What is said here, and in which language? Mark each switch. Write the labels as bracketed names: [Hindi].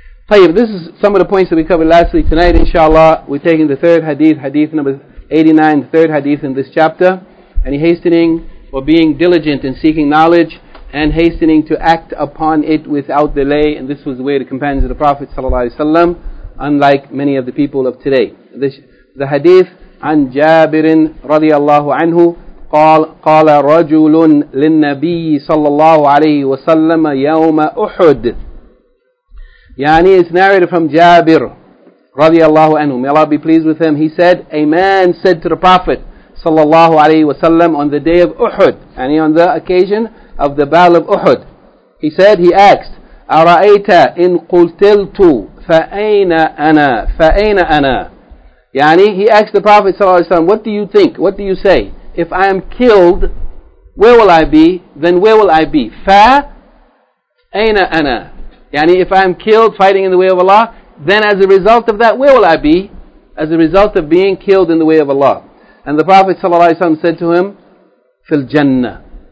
[English] This is some of the points that we covered last week. Tonight, inshallah, we're taking the third hadith, hadith number 89, the third hadith in this chapter. Any hastening or being diligent in seeking knowledge and hastening to act upon it without delay. And this was the way the companions of the Prophet ﷺ, unlike many of the people of today. The hadith, [Arabic] عن جابر رضي الله عنه قال رجل للنبي صلى الله عليه وسلم يوم أحد. [English] Yani it's narrated from Jabir radiallahu anhu. May Allah be pleased with him. He said, a man said to the Prophet sallallahu alayhi wa sallam on the day of Uhud, yani on the occasion of the battle of Uhud. He said, he asked, [Arabic] أَرَأَيْتَ إِن قُلْتِلْتُ فَأَيْنَ أَنَا فَأَيْنَ أَنَا. [English] Yani he asked the Prophet sallallahu alayhi wa sallam, what do you think? What do you say? If I am killed, where will I be? Then where will I be? [Arabic] فَأَيْنَ أَنَا. [English] Yani, if I am killed fighting in the way of Allah, then as a result of that, where will I be? As a result of being killed in the way of Allah. And the Prophet ﷺ said to him, Fil Jannah.